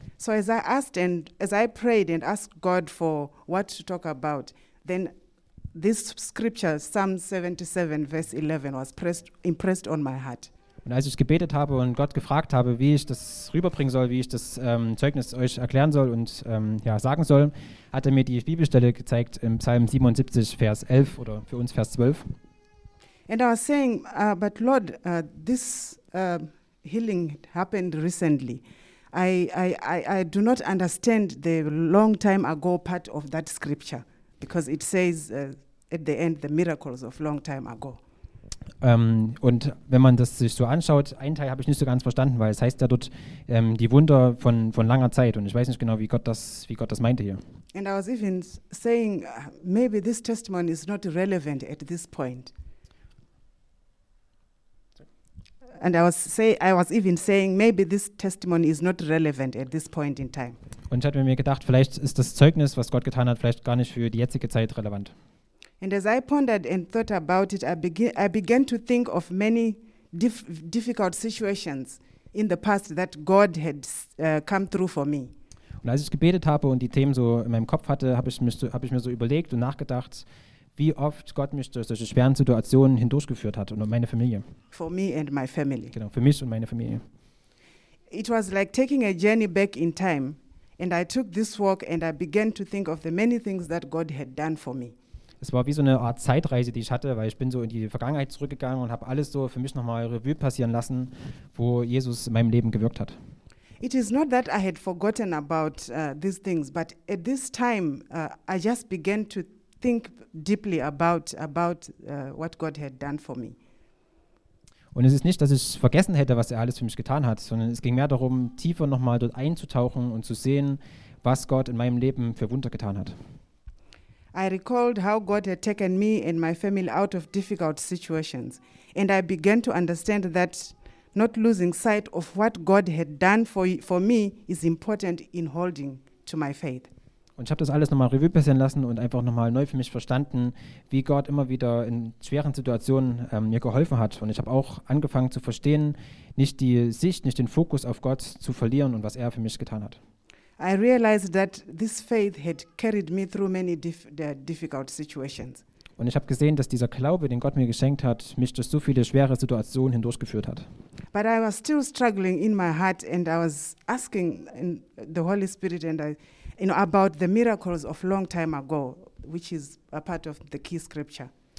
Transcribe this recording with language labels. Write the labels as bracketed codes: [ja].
[en] So as I asked and as I prayed and asked God for what to talk about, then this scripture, Psalm 77, verse 11, was impressed on my heart. [de] Und als ich gebetet habe und Gott gefragt habe, wie ich das rüberbringen soll, wie ich das Zeugnis euch erklären soll und sagen soll, hat er mir die Bibelstelle gezeigt im Psalm 77, Vers 11 oder für uns Vers 12. [en] And I was saying, but Lord, this healing happened recently. I do not understand the long time ago part of that scripture. Because it says at the end the miracles of long time ago. [de] Und wenn man das sich so anschaut, einen Teil habe ich nicht so ganz verstanden, weil es heißt ja dort die Wunder von langer Zeit und ich weiß nicht genau, wie Gott das meinte hier. [en] And I was even saying maybe this testimony is not relevant at this point. And I was even saying maybe this testimony is not relevant at this point in time. [de] Und ich hatte mir gedacht, vielleicht ist das Zeugnis, was Gott getan hat, vielleicht gar nicht für die jetzige Zeit relevant. [en] And as I pondered and thought about it, I began to think of many difficult situations in the past that God had come through for me. [de] Und als ich gebetet habe und die Themen so in meinem Kopf hatte, habe ich mir so überlegt und nachgedacht, wie oft Gott mich durch solche schweren Situationen hindurchgeführt hat und meine Familie. [en] For me and my family. [de] Genau, für mich und meine Familie. [en] It was like taking a journey back in time. And I took this walk and I began to think of the many things that God had done for me. [de] Es war wie so eine Art Zeitreise, die ich hatte, weil ich bin so in die Vergangenheit zurückgegangen und habe alles so für mich nochmal Revue passieren lassen, wo Jesus in meinem Leben gewirkt hat. [en] It is not that I had forgotten about these things, but at this time I just began to think deeply about what God had done for me. [de] Und es ist nicht, dass ich vergessen hätte, was er alles für mich getan hat, sondern es ging mehr darum, tiefer nochmal dort einzutauchen und zu sehen, was Gott in meinem Leben für Wunder getan hat. [en] I recalled how God had taken me and my family out of difficult situations. And I began to understand that not losing sight of what God had done for me is important in holding to my faith. [de] Und ich habe das alles nochmal Revue passieren lassen und einfach nochmal neu für mich verstanden, wie Gott immer wieder in schweren Situationen mir geholfen hat. Und ich habe auch angefangen zu verstehen, nicht die Sicht, nicht den Fokus auf Gott zu verlieren und was er für mich getan hat. [en] I realized that this faith had carried me through many difficult situations. [de] Und ich habe gesehen, dass dieser Glaube, den Gott mir geschenkt hat, mich durch so viele schwere Situationen hindurchgeführt hat. [en] But I was still struggling in my heart and I was asking the Holy Spirit and I, you know, about the miracles of long time ago, which is a part of the key scripture.